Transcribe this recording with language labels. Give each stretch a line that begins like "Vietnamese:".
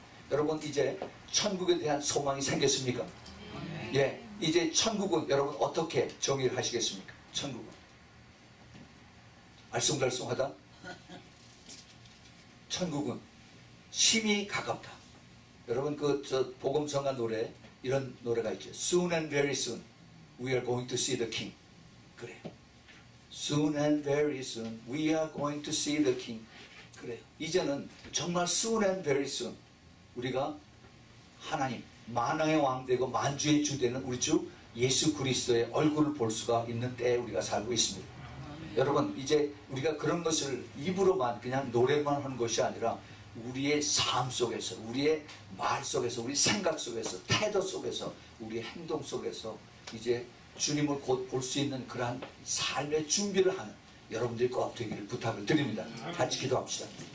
Korean: 여러분, 이제 천국에 대한 소망이 생겼습니까? 네. 예, 이제 천국은 여러분 어떻게 정의를 하시겠습니까? 천국은 알쏭달쏭하다. 천국은 심히 가깝다. 여러분, 그 저 복음성가 노래 이런 노래가 있죠.
English: Soon and very soon we are going to see the king.
Korean: 그래.
English: Soon and very soon we are going to see the king.
Korean: 그래요. 이제는 정말
English: soon and very soon
Korean: 우리가 하나님 만왕의 왕 되고 만주의 주 되는 우리 주 예수 그리스도의 얼굴을 볼 수가 있는 때에 우리가 살고 있습니다. 아멘. 여러분, 이제 우리가 그런 것을 입으로만 그냥 노래만 하는 것이 아니라 우리의 삶 속에서, 우리의 말 속에서, 우리 생각 속에서, 태도 속에서, 우리의 행동 속에서 이제 주님을 곧 볼 수 있는 그러한 삶의 준비를 하는 여러분들이 꼭 되기를 부탁을 드립니다. 같이 기도합시다.